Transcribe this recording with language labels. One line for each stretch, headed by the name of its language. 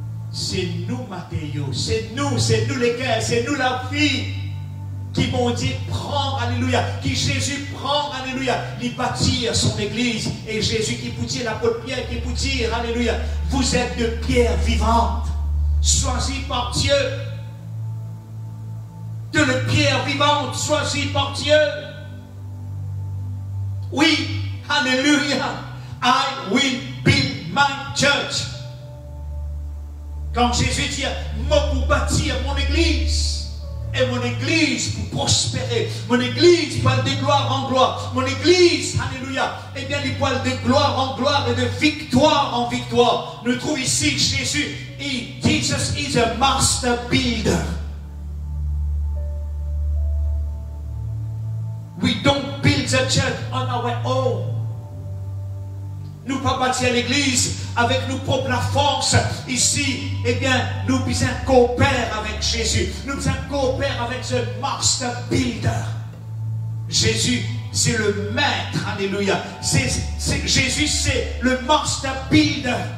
French: C'est nous, matériaux, c'est nous les cœurs, c'est nous la vie qui, mon Dieu, prend, alléluia, qui Jésus prend, alléluia, lui bâtir son église. Et Jésus qui vous dit, l'apôtre Pierre qui vous dit, alléluia, vous êtes de pierre vivante, choisie par Dieu. De la pierre vivante, choisie par Dieu. Oui, alléluia,
English: I will build my church.
French: Quand Jésus dit, moi pour bâtir mon église, et mon église pour prospérer, mon église pour de gloire en gloire, mon église, alléluia, et bien les poils de gloire en gloire et de victoire en victoire. Nous trouvons ici Jésus, et
English: Jesus is a master builder. We don't build the church on our own.
French: Nous ne pouvons pas bâtir l'église avec nos propres forces. Ici, eh bien, nous devons coopérer avec Jésus. Nous devons coopérer avec ce
English: master builder.
French: Jésus, c'est le maître, alléluia. Jésus, c'est le
English: master builder.